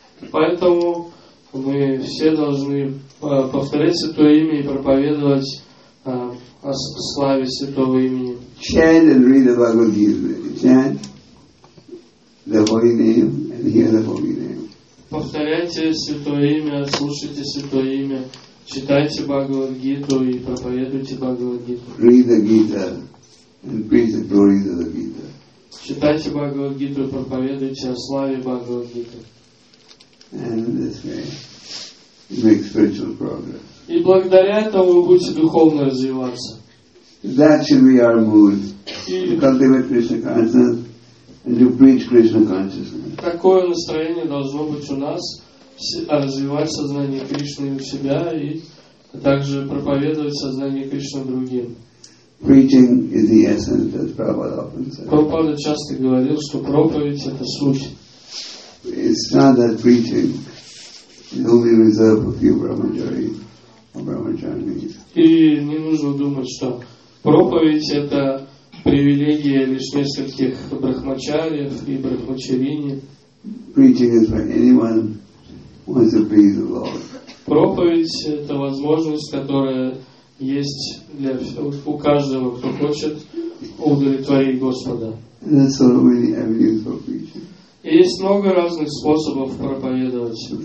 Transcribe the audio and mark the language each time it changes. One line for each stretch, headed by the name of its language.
Russian: Поэтому мы все должны повторять Святое Имя и проповедовать о славе Святого Имени.
English: Chant and read the Bhagavad Gita. Chant the holy name and hear the holy name.
Russian: Повторяйте Святое Имя, слушайте Святое Имя, читайте Бхагавад-гиту и проповедуйте Бхагавад-гиту.
English: Read the Gita and preach the glories of the Gita.
Russian: Читайте Бхагавад-гиту и проповедуйте о славе Бхагавад-гиты.
English: And this way you make spiritual progress.
Russian: И благодаря этому вы будете духовно развиваться.
English: That should be our mood. To cultivate Krishna consciousness. And you preach Krishna consciousness.
Russian: Такое настроение должно быть у нас, развивать сознание Кришны у себя и также проповедовать сознание Кришны другим.
English: Preaching is the essence, as Prabhupada often said.
Russian: Прабхупада часто говорил, что проповедь — это суть.
English: It's not that preaching is only reserved for few brahmacharis or brahmacharinis.
Russian: И не нужно думать, что проповедь — это привилегия лишь нескольких брахмачариев и брахмачарини.
English: Preaching is for anyone who wants to please the Lord.
Russian: Проповедь — это возможность, которая есть для у каждого, кто хочет удовлетворить Господа. И есть много разных способов проповедовать.